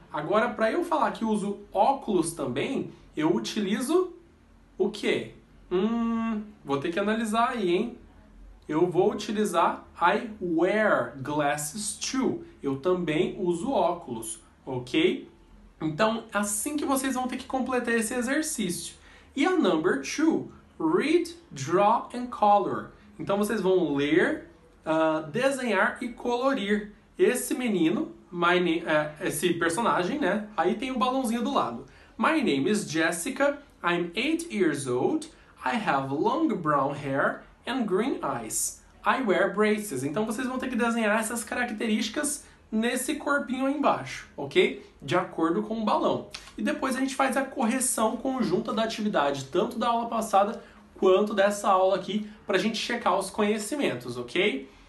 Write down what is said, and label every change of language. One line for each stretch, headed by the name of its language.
Portuguese: Agora, para eu falar que uso óculos também, eu utilizo... O quê? Vou ter que analisar aí, hein? Eu vou utilizar
English: I wear glasses too.
Portuguese: Eu também uso óculos, ok? Então, assim que vocês vão ter que completar esse exercício.
English: E a number two, read, draw and color.
Portuguese: Então, vocês vão ler, desenhar e colorir esse menino, esse personagem, né? Aí tem o balãozinho do lado.
English: My name is Jessica. I'm 8 years old, I have long brown hair and green eyes. I wear braces.
Portuguese: Então vocês vão ter que desenhar essas características nesse corpinho aí embaixo, ok? De acordo com o balão. E depois a gente faz a correção conjunta da atividade, tanto da aula passada quanto dessa aula aqui, para a gente checar os conhecimentos, ok?